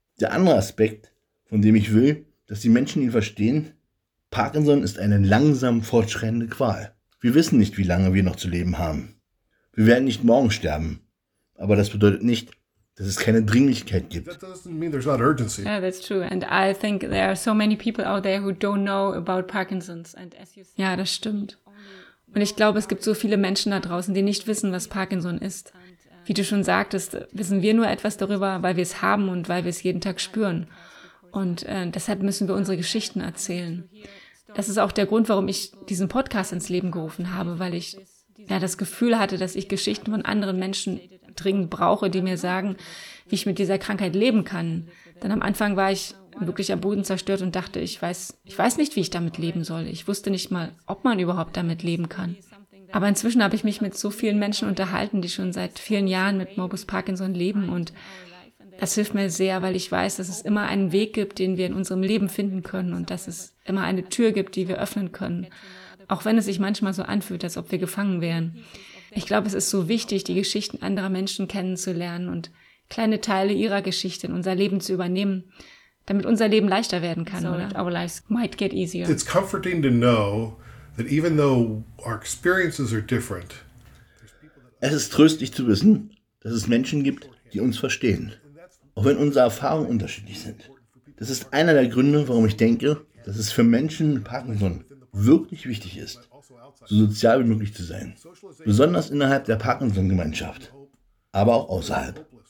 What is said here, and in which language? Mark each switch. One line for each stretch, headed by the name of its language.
German: Der andere Aspekt, von dem ich will, dass die Menschen ihn verstehen, Parkinson ist eine langsam fortschreitende Qual. Wir wissen nicht, wie lange wir noch zu leben haben. Wir werden nicht morgen sterben, aber das bedeutet nicht, dass es keine Dringlichkeit gibt.
English: That doesn't mean there's not urgency. Yeah, that's true. And I think there are so many people out there who don't know about Parkinson's. And as you said,
German: ja, das stimmt. Und ich glaube, es gibt so viele Menschen da draußen, die nicht wissen, was Parkinson ist. Wie du schon sagtest, wissen wir nur etwas darüber, weil wir es haben und weil wir es jeden Tag spüren. Und deshalb müssen wir unsere Geschichten erzählen. Das ist auch der Grund, warum ich diesen Podcast ins Leben gerufen habe, weil ich ja das Gefühl hatte, dass ich Geschichten von anderen Menschen dringend brauche, die mir sagen, wie ich mit dieser Krankheit leben kann. Denn am Anfang war ich wirklich am Boden zerstört und dachte, ich weiß nicht, wie ich damit leben soll. Ich wusste nicht mal, ob man überhaupt damit leben kann. Aber inzwischen habe ich mich mit so vielen Menschen unterhalten, die schon seit vielen Jahren mit Morbus Parkinson leben. Und das hilft mir sehr, weil ich weiß, dass es immer einen Weg gibt, den wir in unserem Leben finden können und dass es immer eine Tür gibt, die wir öffnen können. Auch wenn es sich manchmal so anfühlt, als ob wir gefangen wären. Ich glaube, es ist so wichtig, die Geschichten anderer Menschen kennenzulernen und kleine Teile ihrer Geschichte in unser Leben zu übernehmen, damit unser Leben leichter werden kann, oder?
English: Our lives might get easier. It's comforting to know that even though our experiences are different.
German: Es ist tröstlich zu wissen, dass es Menschen gibt, die uns verstehen, auch wenn unsere Erfahrungen unterschiedlich sind. Das ist einer der Gründe, warum ich denke, dass es für Menschen mit Parkinson wirklich wichtig ist, so sozial wie möglich zu sein. Besonders innerhalb der Parkinson-Gemeinschaft, aber auch außerhalb.